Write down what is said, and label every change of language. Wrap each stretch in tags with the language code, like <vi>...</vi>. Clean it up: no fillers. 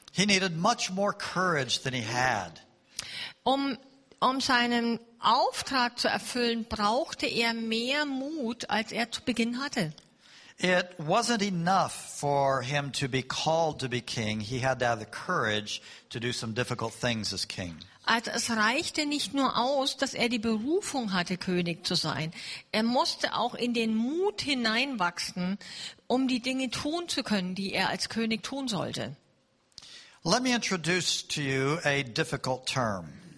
<en>He needed much more courage than he had.</en> <de>Um seinen Auftrag zu erfüllen, brauchte er mehr Mut, als er zu Beginn hatte.</de> <en>It wasn't enough for him to be called to be king. He had to have the courage to do some difficult things as king.</en> <de>Also es reichte nicht nur aus, dass er die Berufung hatte, König zu sein. Er musste auch in den Mut hineinwachsen, um die Dinge tun zu können, die er als König tun sollte.</de> <en>Let me introduce to you a difficult term.</en>